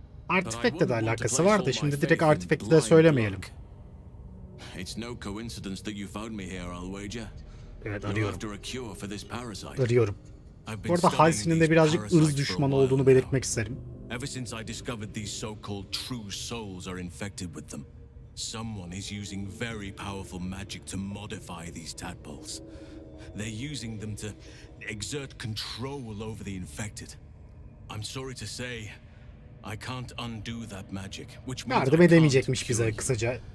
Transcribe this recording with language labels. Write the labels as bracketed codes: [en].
[tr] Artifact'le de alakası var da şimdi direkt artifact'le söylemeyelim. [en] It's no coincidence that you found me here, I'll wager. [tr] Evet, arıyorum. [en] You're after a cure for this parasite. [tr] Arıyorum. Bu arada Halsin'in de birazcık ırz düşmanı olduğunu belirtmek isterim. [en] Ever since I discovered these so-called true souls are infected with them, someone is using very powerful magic to modify these tadpoles. They're using them to exert control over the infected. I'm sorry to say, I can't undo that magic, which means [tr] yardım edemeyecekmiş bize kısaca.